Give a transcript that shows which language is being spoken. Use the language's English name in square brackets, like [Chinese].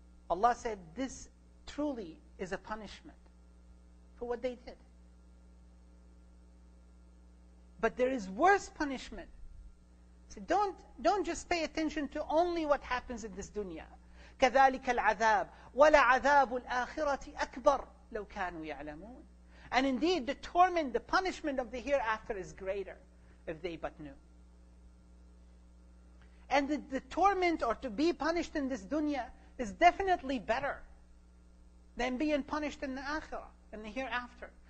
[English] Allah said, this truly is a punishment for what they did. But there is worse punishment. So don't just pay attention to only what happens in this dunya. [Arabic] كذلك العذاب ولا عذاب الآخرة أكبر لو كانوا يعلمون. [English] And indeed, the torment, the punishment of the hereafter is greater if they but knew. And the torment or to be punished in this dunya is definitely better than being punished in the akhirah, in the hereafter.